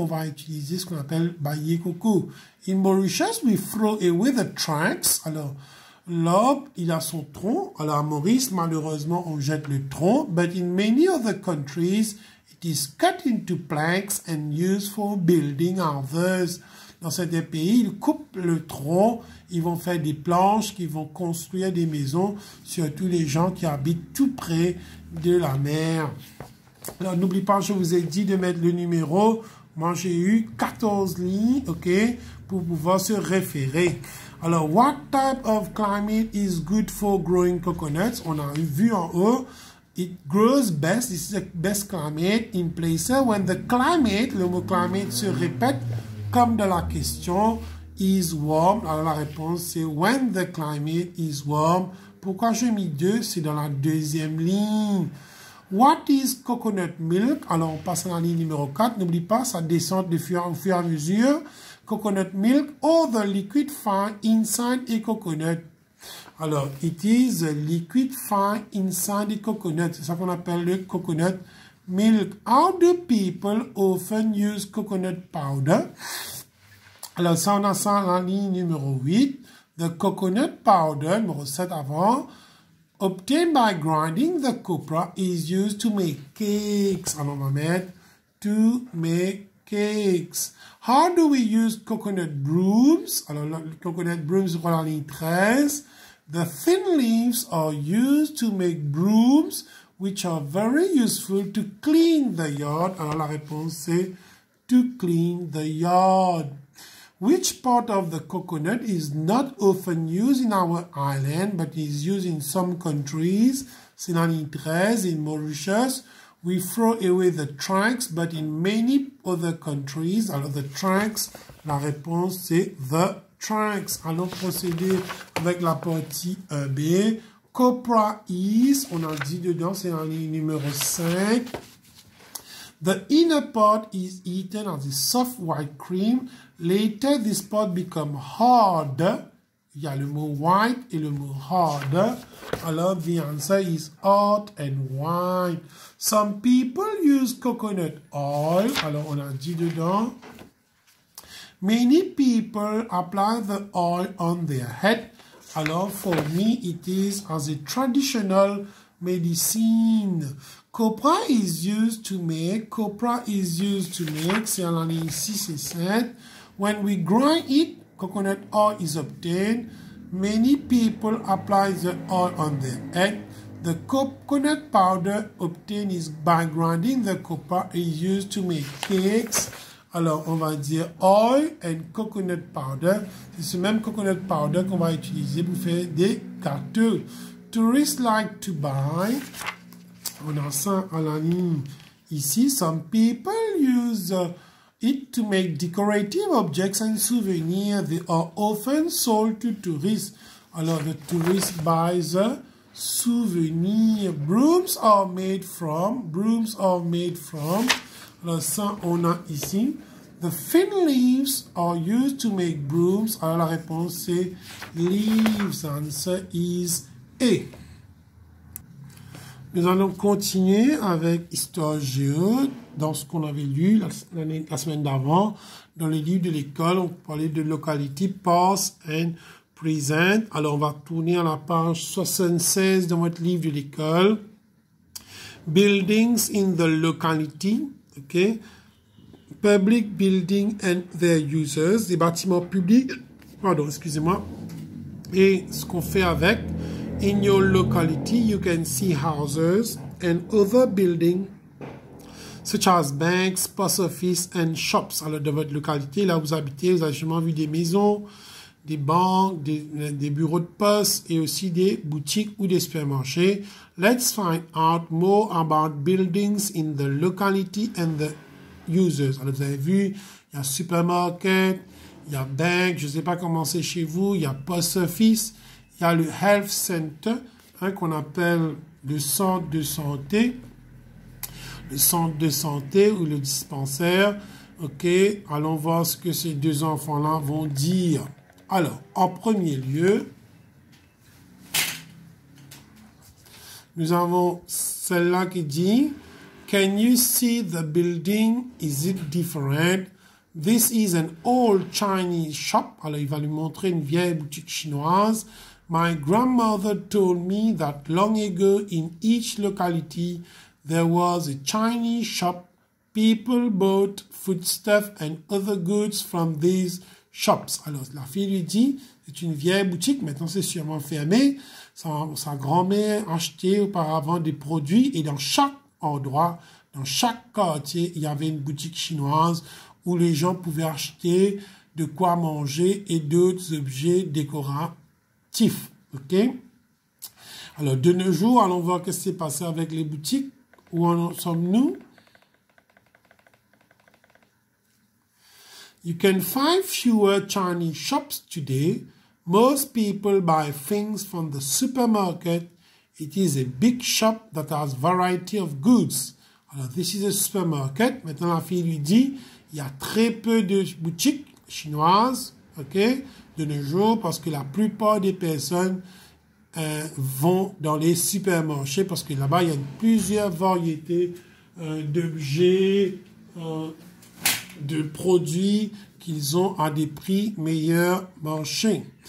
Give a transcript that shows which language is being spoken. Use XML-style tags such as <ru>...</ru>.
<fr>On va utiliser ce qu'on appelle baillet coco.</fr> <en>In Mauritius, we throw away the trunks.</en> <fr>Alors, l'arbre, il a son tronc. Alors, à Maurice, malheureusement, on jette le tronc.</fr> <en>But in many other countries, it is cut into planks and used for building others.</en> <fr>Dans certains pays, ils coupent le tronc, ils vont faire des planches, ils vont construire des maisons, surtout les gens qui habitent tout près de la mer. Alors, n'oublie pas, je vous ai dit de mettre le numéro. Moi, j'ai eu 14 lignes, OK, pour pouvoir se référer.</fr> <en>Alors, what type of climate is good for growing coconuts?</en> <fr>On a vu en haut.</fr> <en>It grows best, this is the best climate in places when the climate,</en> <fr>le mot climate se répète comme dans la question,</fr> <en>is warm.</en> <fr>Alors la réponse c'est</fr> <en>when the climate is warm.</en> <fr>Pourquoi j'ai mis deux? C'est dans la deuxième ligne.</fr> <en>What is coconut milk?</en> <fr>Alors on passe à la ligne numéro 4. N'oublie pas, ça descend de fur et à mesure.</fr> <en>Coconut milk, all the liquid found inside a coconut. Alors, it is a liquid fine inside the coconut.</en> <fr>C'est ça qu'on appelle le coconut milk.</fr> <en>How do people often use coconut powder?</en> <fr>Alors, ça, on a ça en ligne numéro 8.</fr> <en>The coconut powder,</en> <fr>numéro 7 avant,</fr> <en>obtained by grinding the copra, is used to make cakes.</en> <fr>Alors, on va mettre</fr> <en>to make cakes. How do we use coconut brooms? Alors, coconut brooms,</en> <fr>on a en ligne 13.</fr> <en>The thin leaves are used to make brooms, which are very useful to clean the yard.</en> <fr>Alors, la réponse, c'est</fr> <en>to clean the yard. Which part of the coconut is not often used in our island, but is used in some countries?</en> <fr>C'est dans l'île 13,</fr> <en>in Mauritius. We throw away the trunks, but in many other countries, alors, the trunks,</en> <fr>la réponse, c'est</fr> <en>the trunks.</en> <fr>Allons procéder avec la partie B.</fr> <en>Copra is,</en> <fr>on a dit dedans, c'est en ligne numéro 5.</fr> <en>The inner part is eaten as a soft white cream. Later, this part becomes hard.</en> <fr>Il y a le mot white et le mot hard.</fr> <en>Alors, the answer is hard and white. Some people use coconut oil.</en> <fr>Alors, on a dit dedans.</fr> <en>Many people apply the oil on their head. Alors, for me, it is as a traditional medicine. Copra is used to make. Copra is used to make.</en> <fr>C'est en ligne 6 et 7.</fr> <en>When we grind it, coconut oil is obtained. Many people apply the oil on their head. The coconut powder obtained is by grinding the copra is used to make cakes.</en> <fr>Alors, on va dire</fr> <en>oil and coconut powder.</en> <fr>C'est ce même coconut powder qu'on va utiliser pour faire des gâteaux.</fr> <en>Tourists like to buy.</en> <fr>On a ça à la ligne ici.</fr> <en>Some people use it to make decorative objects and souvenirs. They are often sold to tourists. Alors, the tourist buys a souvenir. Brooms are made from. Brooms are made from.</en> <fr>Alors, ça, on a ici.</fr> <en>The thin leaves are used to make brooms.</en> <fr>Alors, la réponse, c'est leaves.</fr> <en>Answer is A.</en> <fr>Nous allons continuer avec Histoire Géo, dans ce qu'on avait lu la semaine d'avant. Dans les livres de l'école, on parlait de</fr> <en>locality, past and present.</en> <fr>Alors, on va tourner à la page 76 de votre livre de l'école.</fr> <en>Buildings in the locality, ok? Public building and their users,</en> <fr>des bâtiments publics, pardon, excusez-moi, et ce qu'on fait avec.</fr> <en>In your locality, you can see houses and other buildings, such as banks, post office, and shops.</en> <fr>Alors, dans votre localité, là où vous habitez, vous avez sûrement vu des maisons, des banques, des bureaux de poste, et aussi des boutiques ou des supermarchés.</fr> <en>Let's find out more about buildings in the locality and the users.</en> <fr>Alors, vous avez vu, il y a supermarket, il y a bank, je ne sais pas comment c'est chez vous, il y a post office. Il y a le Health Center, hein, qu'on appelle le centre de santé. Le centre de santé ou le dispensaire. OK, allons voir ce que ces deux enfants-là vont dire. Alors, en premier lieu, nous avons celle-là qui dit «</fr> <en>Can you see the building? Is it different? This is an old Chinese shop. »</en> <fr>Alors, il va lui montrer une vieille boutique chinoise.</fr> <en>My grandmother told me that long ago in each locality there was a Chinese shop. People bought foodstuffs and other goods from these shops.</en> <fr>Alors, la fille lui dit, c'est une vieille boutique, maintenant c'est sûrement fermé. Sa grand-mère achetait auparavant des produits et dans chaque endroit, dans chaque quartier, il y avait une boutique chinoise où les gens pouvaient acheter de quoi manger et d'autres objets décoratifs. Tif, ok. Alors, de nos jours, allons voir ce qui s'est passé avec les boutiques. Où en sommes-nous?</fr> <en>You can find fewer Chinese shops today. Most people buy things from the supermarket. It is a big shop that has variety of goods. Alors, this is a supermarket.</en> <fr>Maintenant, la fille lui dit, il y a très peu de boutiques chinoises, ok, de nos jours, parce que la plupart des personnes vont dans les supermarchés, parce que là-bas, il y a plusieurs variétés d'objets, de produits qu'ils ont à des prix meilleurs marchés.</fr>